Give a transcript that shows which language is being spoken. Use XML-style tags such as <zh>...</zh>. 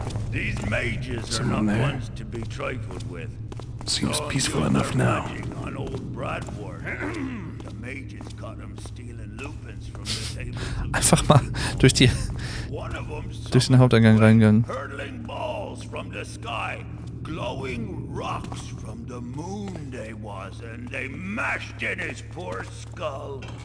<en>These mages are not ones to be trifled with. Seems peaceful enough now. On old Bradward. The mages caught him stealing lupins from the table.</en> <de>Einfach mal durch die durch den Haupteingang reingegangen.</de> <en>Hurtling balls from the sky, glowing rocks from the moon they was, and they mashed in his poor skull.</en>